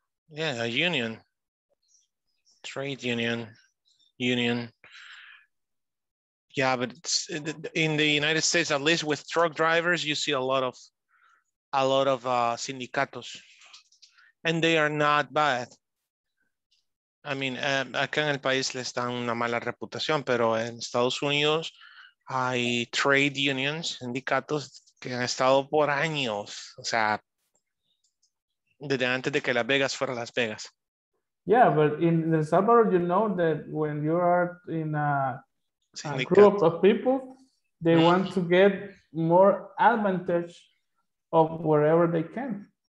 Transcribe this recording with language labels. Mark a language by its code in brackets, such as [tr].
[en] Yeah, a union, trade union. Yeah, but it's, in the United States, at least with truck drivers, you see a lot of sindicatos, and they are not bad. [es] I mean, acá en el país les dan una mala reputación, pero en Estados Unidos hay trade unions, sindicatos que han estado por años, o sea, desde antes de que Las Vegas fuera Las Vegas. [en] Yeah, but in El Salvador, you know that when you are in a group of people, they want to get more advantage of wherever they can.